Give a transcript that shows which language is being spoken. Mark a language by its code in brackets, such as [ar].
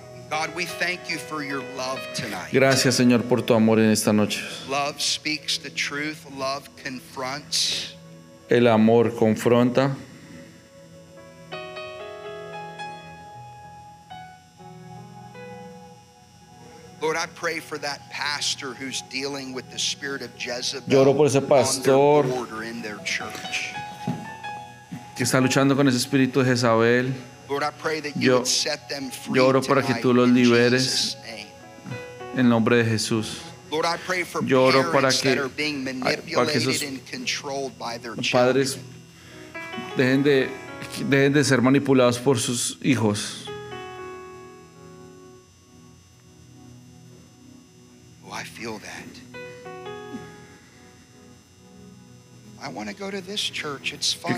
[en] God, we thank you for your love tonight. [es] Gracias, Señor, por tu amor en esta noche. [en] Love speaks the truth. Love confronts. [es] El amor confronta. [en] Lord, I pray for that pastor who's dealing with the spirit of Jezebel. [es] Lloro por ese pastor [en] on their border in their church. [es] Que está luchando con ese espíritu de Jezabel. [en] Lord, I pray that you would set them free. [es] Yo oro para que tú los liberes en nombre de Jesús. [en] Lord, I pray for parents that are being manipulated and controlled by their children. [es] Padres, dejen de ser manipulados por sus hijos. [en] Oh, I feel that. I want to go to this church. It's fun.